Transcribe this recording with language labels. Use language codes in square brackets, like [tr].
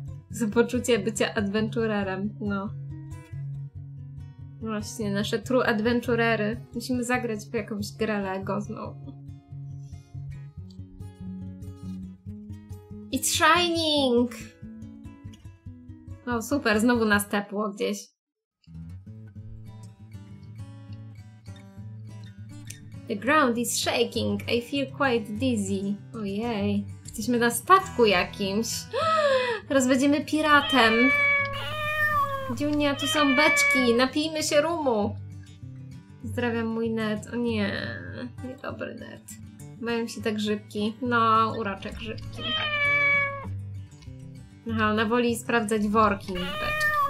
[pl] Za poczucie bycia adventurerem, no. Właśnie, nasze true adventurery. Musimy zagrać w jakąś grę Lego znowu. [en] It's shining! [pl] O, super, znowu nas tepło gdzieś. [en] The ground is shaking, I feel quite dizzy. [pl] Ojej, jesteśmy na statku jakimś. Teraz będziemy piratem. Dziunia, tu są beczki, napijmy się rumu. Pozdrawiam mój net. O nie, niedobry net. Mają się te grzybki. No, urocze grzybki. Aha, ona woli sprawdzać worki niż.